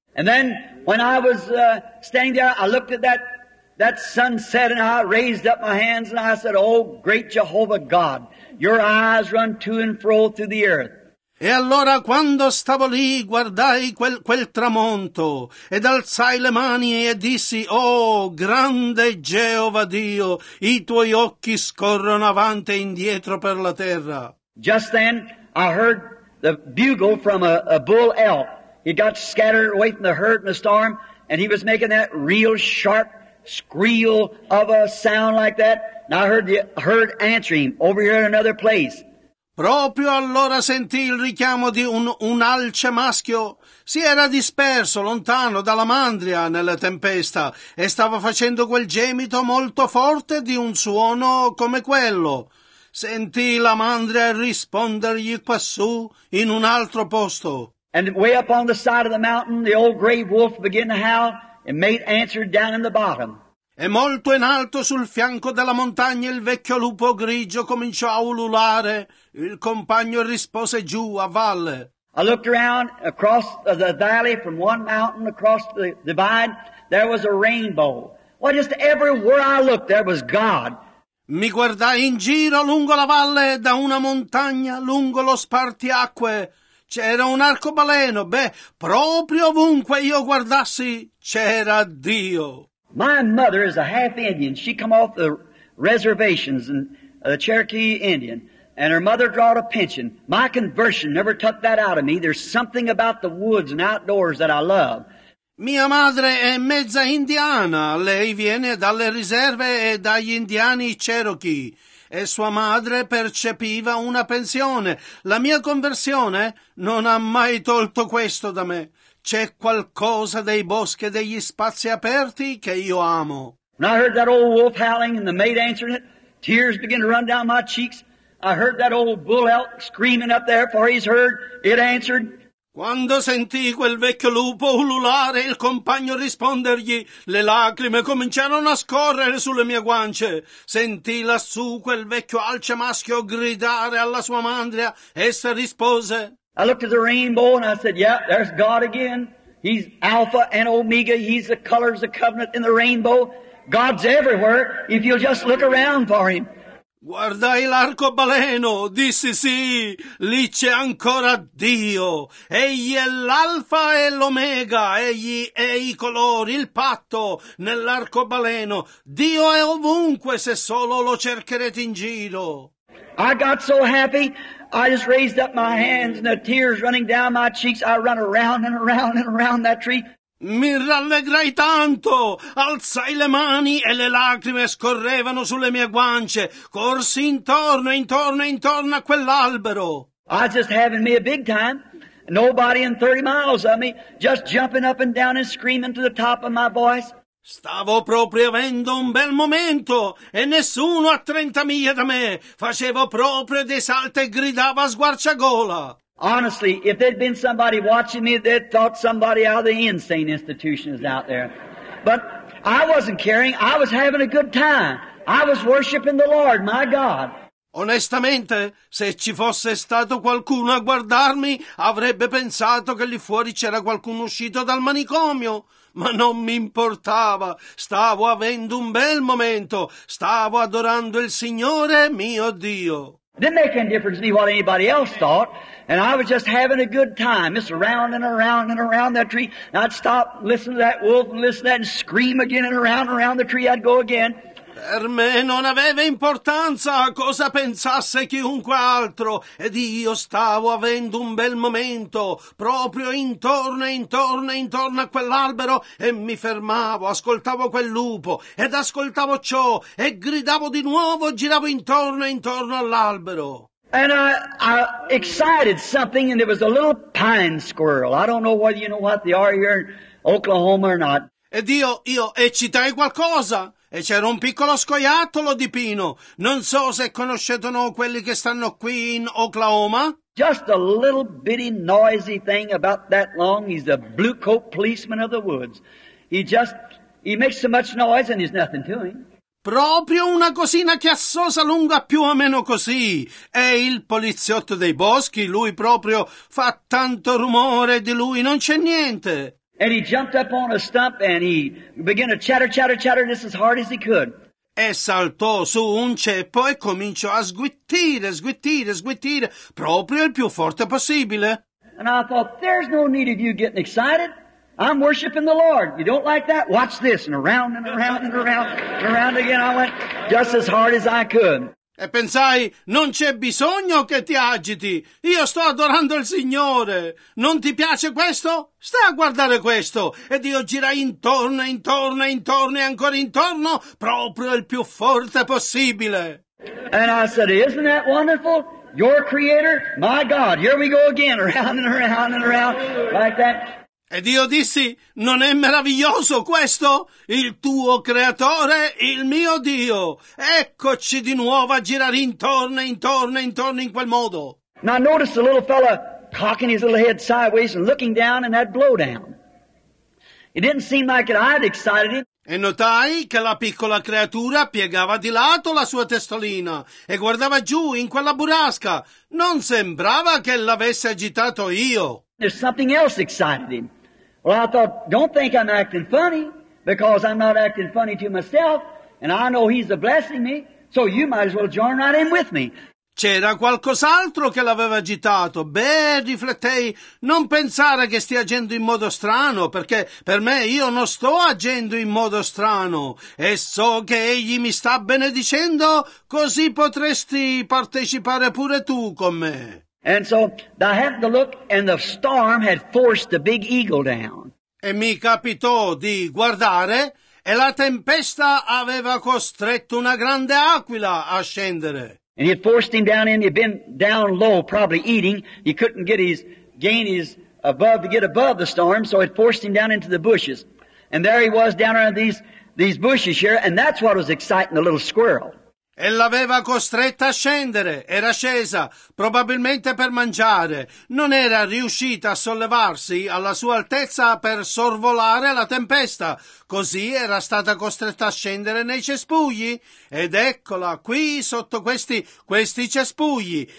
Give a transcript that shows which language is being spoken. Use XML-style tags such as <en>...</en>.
<en>And then when I was standing there, I looked at that sunset and I raised up my hands and I said, "Oh great Jehovah God, your eyes run to and fro through the earth."</en> <it>E allora quando stavo lì guardai quel tramonto ed alzai le mani e dissi, oh grande Geova Dio, i tuoi occhi scorrono avanti e indietro per la terra.</it> <en>Just then I heard the bugle from a bull elk. He got scattered away from the herd in the storm and he was making that real sharp squeal of a sound like that. And I heard the herd answering over here in another place.</en> <it>Proprio allora sentì il richiamo di un alce maschio. Si era disperso lontano dalla mandria nella tempesta e stava facendo quel gemito molto forte di un suono come quello. Sentì la mandria rispondergli quassù in un altro posto.</it> <en>And way up on the side of the mountain the old gray wolf began to howl and made answer down in the bottom.</en> <it>E molto in alto sul fianco della montagna il vecchio lupo grigio cominciò a ululare. Il compagno rispose giù a valle.</it> <en>I looked around across the valley from one mountain across the divide. There was a rainbow. Well, just everywhere I looked, there was God.</en> <it>Mi guardai in giro lungo la valle da una montagna lungo lo spartiacque. C'era un arcobaleno. Beh, proprio ovunque io guardassi c'era Dio.</it> <en>My mother is a half Indian. She come off the reservations and the Cherokee Indian. And her mother drawed a pension. My conversion never took that out of me. There's something about the woods and outdoors that I love.</en> <it>Mia madre è mezza indiana. Lei viene dalle riserve e dagli indiani Cherokee. E sua madre percepiva una pensione. La mia conversione non ha mai tolto questo da me. C'è qualcosa dei boschi e degli spazi aperti che io amo.</it> <en>When I heard that old wolf howling and the mate answering it, tears began to run down my cheeks. I heard that old bull elk screaming up there for he's heard it answered.</en> <it>Quando sentì quel vecchio lupo ululare e il compagno rispondergli, le lacrime cominciarono a scorrere sulle mie guance. Sentì lassù quel vecchio alce maschio gridare alla sua mandria, essa rispose.</it> <en>I looked at the rainbow and I said, "Yeah, there's God again. He's Alpha and Omega. He's the colors of covenant in the rainbow. God's everywhere if you'll just look around for him."</en> <it>Guardai l'arcobaleno, dissi sì, lì c'è ancora Dio. Egli è l'Alfa e l'Omega, egli è i colori, il patto nell'arcobaleno. Dio è ovunque se solo lo cercherete in giro.</it> <en>I got so happy, I just raised up my hands and the tears running down my cheeks, I run around and around and around that tree.</en> <it>Mi rallegrai tanto, alzai le mani e le lacrime scorrevano sulle mie guance, corsi intorno, intorno, intorno a quell'albero.</it> <en>I was just having me a big time, nobody in 30 miles of me, just jumping up and down and screaming to the top of my voice.</en> <it>Stavo proprio avendo un bel momento e nessuno a 30 miglia da me, facevo proprio dei salti e gridava a squarciagola.</it> <en>Honestly, if there'd been somebody watching me, they'd thought somebody out of the insane institution is out there. But I wasn't caring. I was having a good time. I was worshiping the Lord, my God.</en> <it>Onestamente, se ci fosse stato qualcuno a guardarmi, avrebbe pensato che lì fuori c'era qualcuno uscito dal manicomio. Ma non mi importava. Stavo avendo un bel momento. Stavo adorando il Signore, mio Dio.</it> <en>Didn't make any difference to me what anybody else thought, and I was just having a good time, just around and around and around that tree. And I'd stop, listen to that wolf, and listen to that, and scream again and around and around the tree, I'd go again.</en> <it>Per me non aveva importanza cosa pensasse chiunque altro, ed io stavo avendo un bel momento, proprio intorno e intorno e intorno a quell'albero, e mi fermavo, ascoltavo quel lupo, ed ascoltavo ciò, e gridavo di nuovo, giravo intorno e intorno all'albero.</it> <en>And I excited something, and it was a little pine squirrel. I don't know whether you know what they are here in Oklahoma or not.</en> <it>Ed io eccitai qualcosa. E c'era un piccolo scoiattolo di pino. Non so se conoscete o no quelli che stanno qui in Oklahoma.</it> <en>Just a little bitty noisy thing about that long. He's the blue coat policeman of the woods. He makes so much noise and there's nothing to him.</en> <it>Proprio una cosina chiassosa lunga più o meno così. E il poliziotto dei boschi, lui proprio fa tanto rumore, di lui non c'è niente.</it> <en>And he jumped up on a stump and he began to chatter, chatter, chatter just as hard as he could.</en> <it>E saltò su un ceppo e cominciò a sguittire, sguittire, sguittire, proprio il più forte possibile.</it> <en>And I thought, there's no need of you getting excited. I'm worshiping the Lord. You don't like that? Watch this. And around and around and around and around again I went just as hard as I could.</en> <it>E pensai, non c'è bisogno che ti agiti. Io sto adorando il Signore. Non ti piace questo? Stai a guardare questo. Ed io girai intorno e intorno e intorno e ancora intorno, proprio il più forte possibile.</it> <en>And I said, isn't that wonderful? Your creator, my God. Here we go again, around and around and around, like that.</en> <it>Ed io dissi, non è meraviglioso questo? Il tuo creatore, il mio Dio. Eccoci di nuovo a girare intorno, intorno, intorno in quel modo.</it> <en>Now notice the little fella cocking his little head sideways and looking down in that blowdown. It didn't seem like it had excited him.</en> <it>E notai che la piccola creatura piegava di lato la sua testolina e guardava giù in quella burrasca. Non sembrava che l'avesse agitato io.</it> <en>There's something else excited him. Well, I thought, don't think I'm acting funny, because I'm not acting funny to myself, and I know he's a blessing me, so you might as well join right in with me.</en> <it>C'era qualcos'altro che l'aveva agitato. Beh, riflettei, non pensare che stia agendo in modo strano, perché per me io non sto agendo in modo strano, e so che egli mi sta benedicendo, così potresti partecipare pure tu con me.</it> <en>And so I happened to look, and the storm had forced the big eagle down.</en> <it>E mi capitò di guardare, e la tempesta aveva costretto una grande aquila a scendere.</it> <en>And he had forced him down in. He'd been down low, probably eating. He couldn't get his gain his above to get above the storm, so it forced him down into the bushes. And there he was down around these bushes here, and that's what was exciting the little squirrel.</en> <it>E l'aveva costretta a scendere, era scesa, probabilmente per mangiare. Non era riuscita a sollevarsi alla sua altezza per sorvolare la tempesta. Così era stata costretta a scendere nei cespugli. Ed eccola qui sotto questi cespugli.</it>